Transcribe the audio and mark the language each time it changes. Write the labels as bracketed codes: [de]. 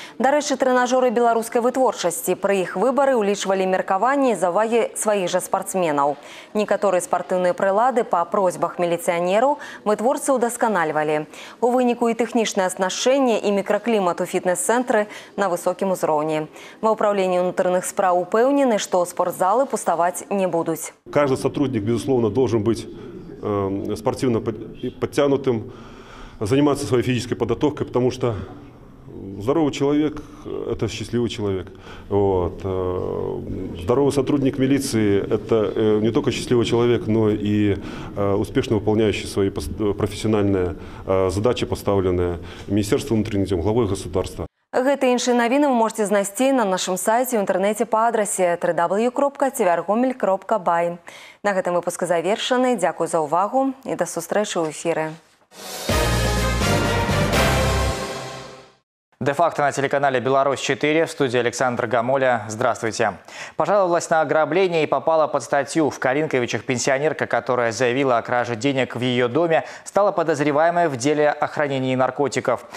[be] Дарэчы, трэнажоры беларускай вытворчасці пры іх выбары ўлічвалі меркаванні і заўвагі сваіх жа спартсменаў. Некаторыя спартыўныя прылады па просьбах міліцыянераў вытворцы ўдасканальвалі. У выніку і тэхнічнае аснашчэнне, і мікраклімат у фітнес-цэнтры на высокім узроўні. Ва ўпраўленні ўнутраных спраў упэўнены, што спортзалы пуставаць не будуць. [ru] Кожны сотрудник, безусловно, должен быть спортивно подтянутым, заниматься своей физической подготовкой, потому что здоровый человек – это счастливый человек. Вот. Здоровый сотрудник милиции – это не только счастливый человек, но и успешно выполняющий свои профессиональные задачи, поставленные Министерством внутренних дел, главой государства. [be] Гэта іншыя навіны вы можаце знайсці на нашым сайце ў інтэрнэце па адрасе www.tvrgomel.by. На гэтым выпуск завершаны. Дзякую за ўвагу і да сустрэчы ў эфіры. [ru] Де-факто на телеканале «Беларусь-4» в студии Александр Гамоля. Здравствуйте. Пожаловалась на ограбление и попала под статью. В Калинковичах пенсионерка, которая заявила о краже денег в ее доме, стала подозреваемой в деле о хранении наркотиков.